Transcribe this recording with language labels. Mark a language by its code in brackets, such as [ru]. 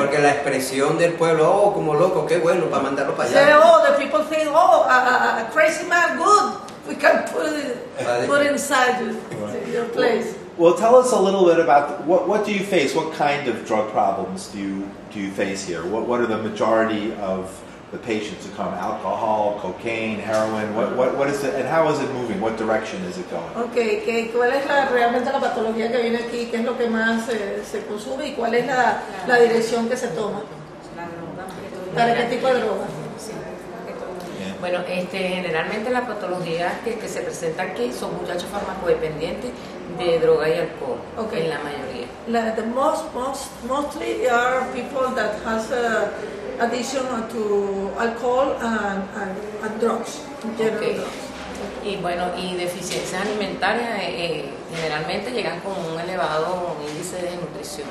[es] Porque la expresión del pueblo, oh, como loco, qué bueno, para mandarlo para allá. [en] Say, oh, the people think, oh, a crazy man, good, we can put inside your place. Well, tell us a little bit about what do you face? What kind of drug problems do you face here? What are the majority of the patients who come? Alcohol, cocaine, heroin. What is it? And how is it moving? What direction is it going? Okay. [es] ¿Cuál es realmente la patología que viene aquí? ¿Qué es lo que más se consume? ¿Y cuál es la dirección que se toma? La droga. ¿Para qué tipo de droga? Sí. Bueno, generalmente las patologías que se presentan aquí son muchachos farmacodependientes de droga y alcohol. Okay. En la mayoría. [en] The mostly are people that has a addiction to alcohol and drugs, general [es] drugs. Y bueno, y deficiencias alimentarias generalmente llegan con un elevado índice de desnutrición.